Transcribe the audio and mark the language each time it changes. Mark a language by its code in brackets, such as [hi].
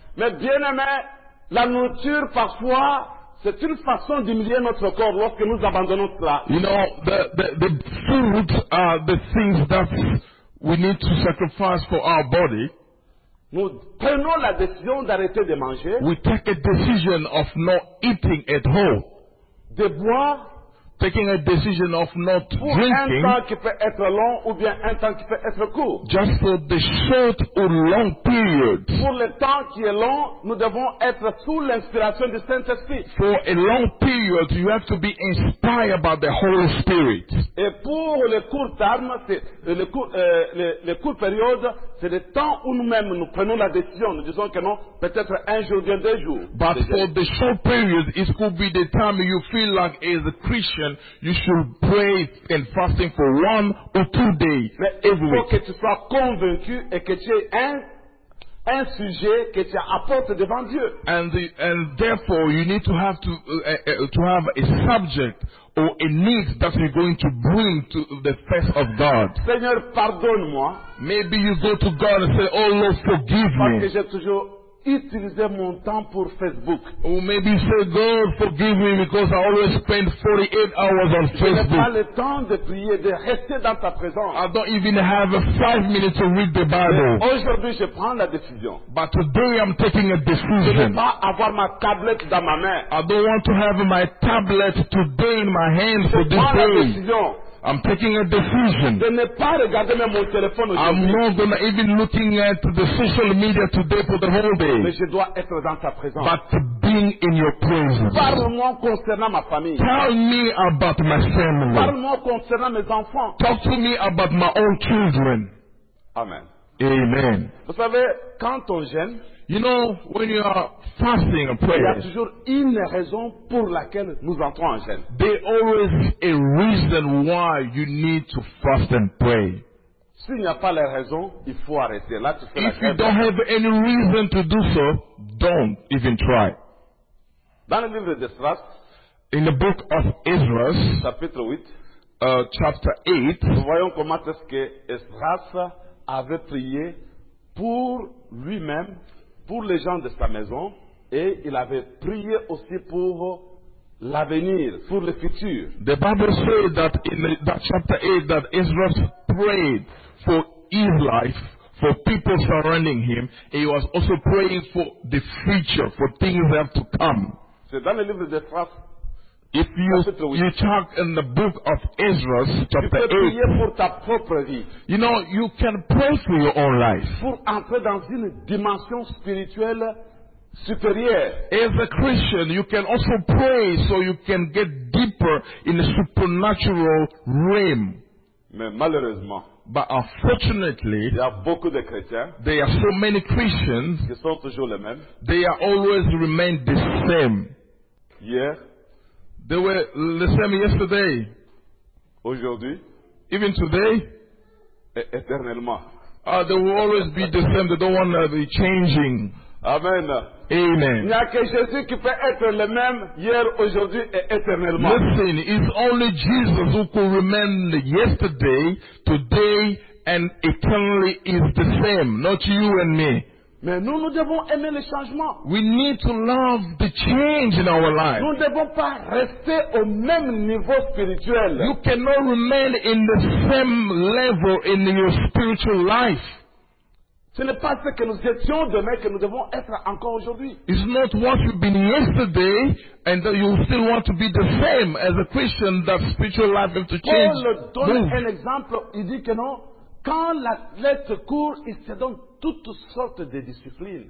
[fr] Mais bien aimé, la nourriture parfois, c'est une façon d'humilier notre corps lorsque nous abandonnons cela. [en] You know, the food are the things that we need to sacrifice for our body. [fr] Nous prenons la décision d'arrêter de manger. [en] We take a decision of not eating at all. [fr] De boire. [en] Taking a decision of not drinking. [fr] Pour un temps qui peut être long ou bien un temps qui peut être court. [en] Just for the short or long period. [fr] Pour le temps qui est long, nous devons être sous l'inspiration du Saint-Esprit. [en] For a long period, you have to be inspired by the Holy Spirit. [fr] Et pour le court terme, c'est le court période, c'est le temps où nous-mêmes nous prenons la décision. Nous disons que non, peut-être un jour, bien deux jours. [en] But for the short period, it could be the time you feel like as a Christian. You should pray and fasting for 1 or 2 days. [fr] Mais [en] every week. [fr] Il faut que tu sois convaincu et que tu aies un sujet que tu apportes devant Dieu. [en] And therefore you need to have to have a subject or a need that you're going to bring to the face of God. [fr] Seigneur, pardonne-moi. [en] Maybe you go to God and say, Oh Lord, forgive me. [fr] Parce que j'ai toujours utiliser mon temps pour Facebook. [en] Or maybe say, God, forgive me because I always spend 48 hours on Facebook. [fr] Je n'ai pas le temps de prier, de rester dans ta présence. [en] I don't even have 5 minutes to read the Bible. [fr] Aujourd'hui, je prends la décision. [en] But today, I'm taking a decision. [fr] Je ne veux pas avoir ma tablette dans ma main. [en] I don't want to have my tablet today in my hand for this day. [fr] Je prends la décision. [en] I'm taking a decision. [fr] Je n'ai pas regardé même mon téléphone aujourd'hui. [en] I'm not going to even looking at the social media today for the whole day. [fr] Mais je dois être dans ta présence. [en] But to be being in your presence. [fr] Parle-moi concernant ma famille. [en] Tell me about my family. [fr] Parle-moi concernant mes enfants. [en] Talk to me about my own children. Amen. Amen. [fr] Vous savez, quand on jeûne, [en] you know, when you are fasting and praying, [fr] il y a toujours une raison pour laquelle nous entrons en jeûne. [en] There always a reason why you need to fast and pray. [fr] S'il n'y a pas les raisons, il faut arrêter. Là, tu fais [en] if you don't have any reason to do so, don't even try. [fr] Dans le livre de Esdras, [en] in the book of Esdras, [fr] chapitre 8, [en] chapter 8, [fr] nous voyons comment est-ce que Esdras avait prié pour lui-même, pour les gens de sa maison, et il avait prié aussi pour l'avenir, pour le futur. [en] The Bible says that in that chapter 8 that Esdras prayed for his life, for people surrounding him, and he was also praying for the future, for things that have to come. [fr] C'est dans le livre de France. [en] If you talk in the book of Ezra, chapter 8, [fr] pour ta propre vie, [en] you know, you can pray for your own life. [fr] Pour entrer dans une dimension spirituelle supérieure. [en] As a Christian, you can also pray so you can get deeper in the supernatural realm. [fr] Mais malheureusement, [en] but unfortunately, [fr] il y a beaucoup de chrétiens, [en] there are so many Christians, [fr] qui sont toujours les mêmes, [en] they are always remain the same. Yeah. They were the same yesterday. [fr] Aujourd'hui. [en] Even today. [fr] Éternellement. [en] They will always be the same. They don't want to be changing. Amen. Amen. [fr] Il n'y a que Jésus qui peut être le même hier, aujourd'hui et éternellement. [en] Listen, it's only Jesus who could remain yesterday, today and eternally is the same. Not you and me. [fr] Mais nous, nous devons aimer le changement. [en] We need to love the change in our life. [fr] Nous ne devons pas rester au même niveau spirituel. [en] You cannot remain in the same level in your spiritual life. [fr] Ce n'est pas ce que nous étions demain que nous devons être encore aujourd'hui. [en] It's not what you've been yesterday and that you still want to be the same as a Christian that spiritual life has to change. [fr] Paul donne un exemple. Il dit que non, quand l'athlète court, il se donne toutes sortes de disciplines.